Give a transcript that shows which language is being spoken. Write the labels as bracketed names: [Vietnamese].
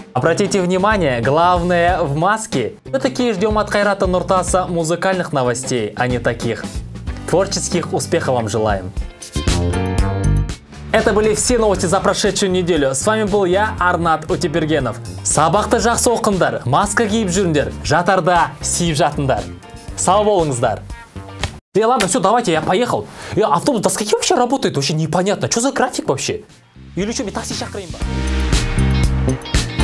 [Russian] Обратите внимание, главное в маске. Все-таки ждем от Кайрата Нуртаса музыкальных новостей, а не таких. Творческих успехов вам желаем. Это были все новости за прошедшую неделю. С вами был я, Арнат Утебергенов. [Kazakh] Сабақты жақсы оқындар, маска киіп жүріндер, жатарда сиіп жатындар. Сау болыңыздар. [Russian] Да ладно, все, давайте, я поехал. Я автобус, да с каким вообще работает? Вообще непонятно, что за график вообще? Или что, мне такси сейчас крым?